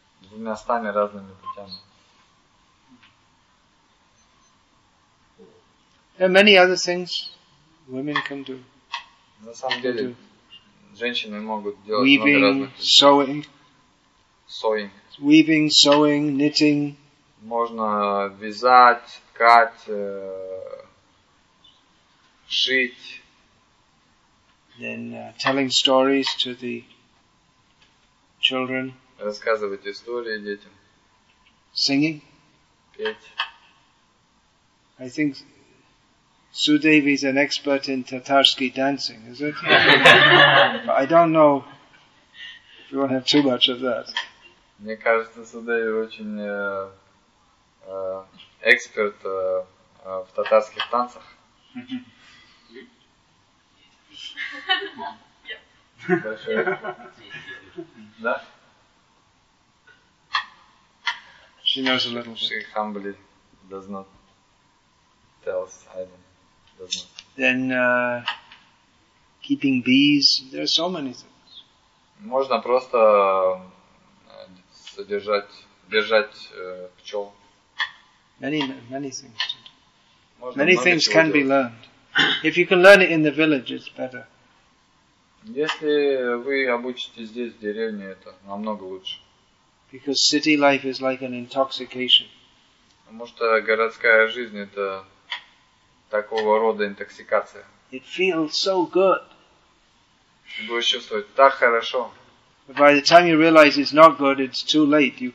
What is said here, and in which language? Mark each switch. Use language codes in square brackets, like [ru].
[ru] Местами разными путями. [en] There are many other things women can do. [ru] На самом деле, женщины могут делать [en] weaving, [ru] много разных вещей. [en] Sewing. Sewing. Weaving, sewing, knitting. [ru] Можно вязать, ткать, шить. [en] Then telling stories to the children. [ru] Рассказывать истории детям. [en] Singing. [ru] Петь. [en] I think Sudevi is an expert in Tatarsky dancing, is it? But I don't know if you want to have too much of that. [ru] Мне кажется, Судеви очень эксперт в татарских танцах. [en] She knows a little bit. She humbly does not tell us. Then keeping bees, there are so many things. [ru] Можно просто содержать, держать пчел. [en] Many things. Many things can be learned. If you can learn it in the village, it's better. [ru] Если вы обучитесь здесь, в деревне, это намного лучше. [en] Because city life is like an intoxication. [ru] Потому что городская жизнь это такого рода интоксикация. [en] It feels so good. [ru] Вы будете чувствовать так хорошо. [en] But by the time you realize it's not good, it's too late. You can't.